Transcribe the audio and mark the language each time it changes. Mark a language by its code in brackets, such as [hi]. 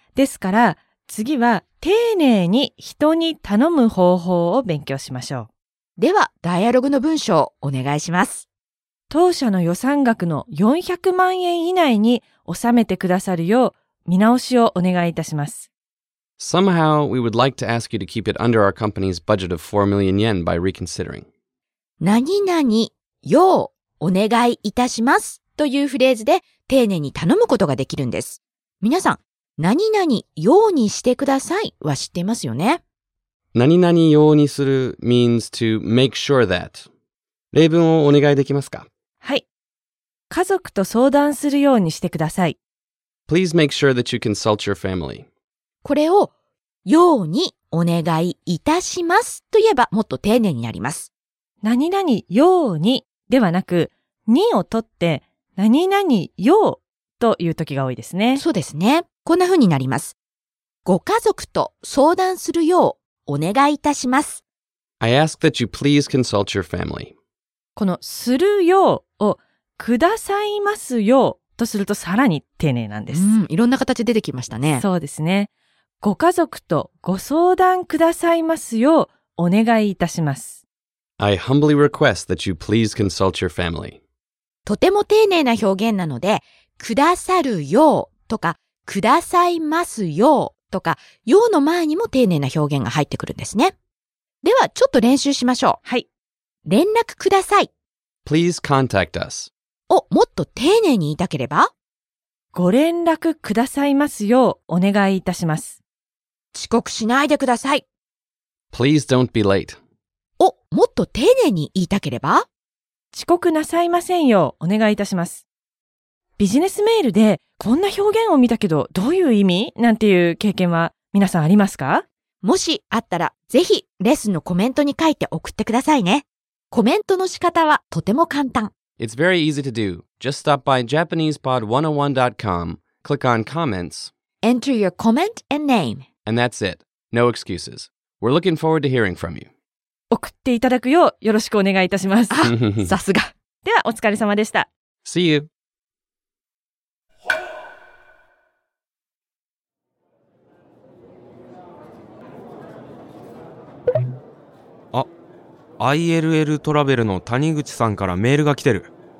[ja] ですから、次は、丁寧に人に頼む方法を勉強しましょう。では、ダイアログの文章をお願いします。当社の予算額の400万円以内に収めてくださるよう、見直しをお願いいたします。 [en] Somehow, we would like to ask you to keep it under our company's budget of 4 million yen by reconsidering. [ja] 何々よう、お願いいたします。というフレーズで丁寧に頼むことができるんです。皆さん、何々ようにしてくださいは知っていますよね。何々ようにする [en] means to make sure that。 [ja] 例文をお願いできますか？はい。家族と相談するようにしてください。 [en] Please make sure that you consult your family。 [ja] これをようにお願いいたしますと言えばもっと丁寧になります。何々ようにではなくにを取って何々ようという時が多いですね。そうですね。こんな風になります。ご家族と相談するようお願いいたします。 [en] I ask that you please consult your family. [ja] このするようをくださいますようとするとさらに丁寧なんです。いろんな形出てきましたね。そうですね。ご家族とご相談くださいますようお願いいたします。 [en] I humbly request that you please consult your family. [ja] とても丁寧な表現なので、くださるようとか、くださいますようとか、ようの前にも丁寧な表現が入ってくるんですね。では、ちょっと練習しましょう。はい。連絡ください。 [en] Please contact us. [ja] をもっと丁寧に言いたければ、ご連絡くださいますようお願いいたします。遅刻しないでください。 [en] Please don't be late. [ja] をもっと丁寧に言いたければ、遅刻なさいませんようお願いいたします。ビジネスメールでこんな表現を見たけどどういう意味なんていう経験は皆さんありますか？もしあったらぜひレッスンのコメントに書いて送ってくださいね。コメントの仕方はとても簡単。 [en] It's very easy to do. Just stop by JapanesePod101.com, click on comments, enter your comment and name, and that's it. No excuses. We're looking forward to hearing from you. [ja] 送っていただくようよろしくお願いいたします。あ、さすが。ではお疲れ様でした。 [en] See you. [ja] あ、ILL トラベルの谷口さんからメールが来てる。